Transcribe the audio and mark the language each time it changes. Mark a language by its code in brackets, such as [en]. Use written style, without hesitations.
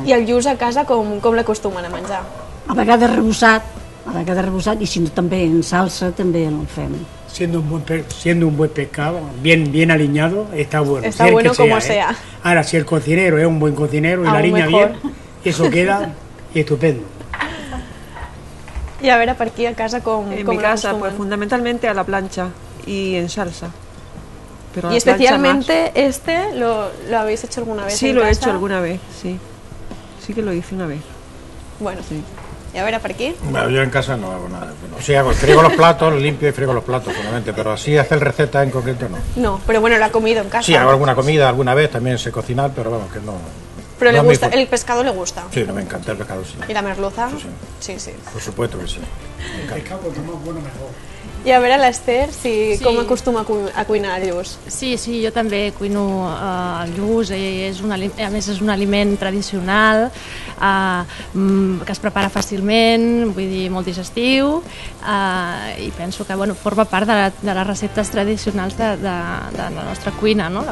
[ca] I el lluç a casa com l'acostumen a menjar? A vegades rebussat, a vegades rebussat, i si no també en salsa també el fem. [es] Siendo un buen pescado, bien, bien aliñado, está bueno. Está si bueno como sea. Ahora, si el cocinero es un buen cocinero y aún la aliña mejor. Bien, eso queda estupendo. Y a ver, ¿por aquí a casa con mi casa? Pues fundamentalmente a la plancha y en salsa. pero y especialmente este, ¿lo habéis hecho alguna vez? Sí, lo he hecho alguna vez, sí. Sí que lo hice una vez. Bueno, sí. ¿Y a ver, a por aquí? Bueno, yo en casa no hago nada. Bueno, sí, hago, frigo los platos, limpio y frigo los platos, solamente, pero así hacer recetas en concreto no. No, pero bueno, lo ha comido en casa. Sí, hago alguna comida alguna vez, también sé cocinar, pero vamos, que no. Pero le gusta, el pescado le gusta. Sí, me encanta el pescado, sí. ¿Y la merluza? Sí, sí. Sí, sí. Por supuesto que sí. El pescado, cuanto más bueno, mejor. [ca] I a veure, l'Esther, si sí. Com acostuma a cuinar el lluç? Sí, sí, jo també cuino el lluç, a més és un aliment tradicional que es prepara fàcilment, vull dir, molt digestiu, i penso que bueno, forma part de les receptes tradicionals de la nostra cuina, no?